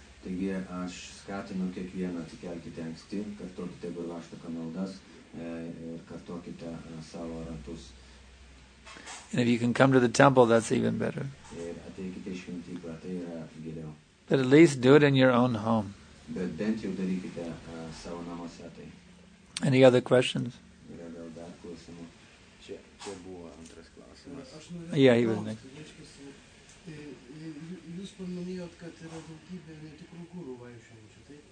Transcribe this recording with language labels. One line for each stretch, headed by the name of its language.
Lithuanian: Taigi aš skatinu kiekvieną atsikelkite anksti, kartokite Gurvaštaka maldas ir kartokite savo ratus.
English: And if you can come to the temple, that's even better.
Lithuanian: Ir ateikite į šventyklą, tai yra geriau.
English: But at least do it in your own home.
Lithuanian: Bet bent jau darykite savo namuose tai.
English: Any other questions?
Lithuanian: Yra gal dar klausimų. Čia buvo antras klausimas.
English: Yeah, even next.
Lithuanian: Jūs paminėjot, kad yra daugybė netikrų gūrų vaikščiojančių, taip?